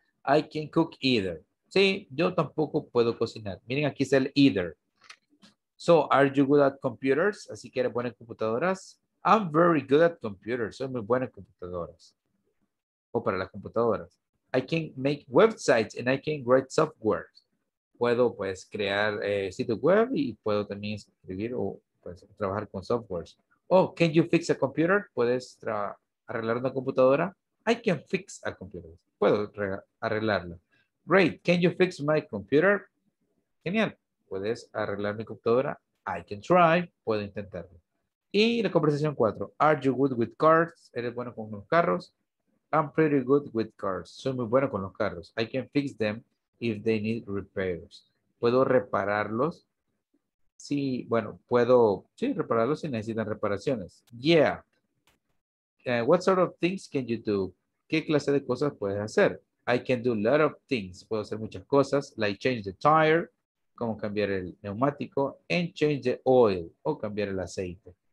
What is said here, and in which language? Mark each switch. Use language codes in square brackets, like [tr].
[en] I can cook either. [es] Sí, yo tampoco puedo cocinar. Miren, aquí está el either. [en] So, are you good at computers? [es] Así que eres buena en computadoras. [en] I'm very good at computers. [es] Soy muy buena en computadoras. O para las computadoras. [en] I can make websites and I can write software. [es] Puedo, pues, crear sitio web y puedo también escribir o, pues, trabajar con softwares. [en] Oh, can you fix a computer? [es] ¿Puedes arreglar una computadora? [en] I can fix a computer. [es] Puedo arreglarla. [en] Great. Can you fix my computer? [es] Genial. ¿Puedes arreglar mi computadora? [en] I can try. [es] Puedo intentarlo. Y la conversación 4. [en] Are you good with cars? [es] ¿Eres bueno con los carros? [en] I'm pretty good with cars. [es] Soy muy bueno con los carros. [en] I can fix them if they need repairs. [es] ¿Puedo repararlos? Sí, bueno, puedo, sí, repararlos si necesitan reparaciones. [en] Yeah. What sort of things can you do? [es] ¿Qué clase de cosas puedes hacer? [en] I can do a lot of things. [es] Puedo hacer muchas cosas, [en] like change the tire, [es] como cambiar el neumático, [en] and change the oil, [es] o cambiar el aceite.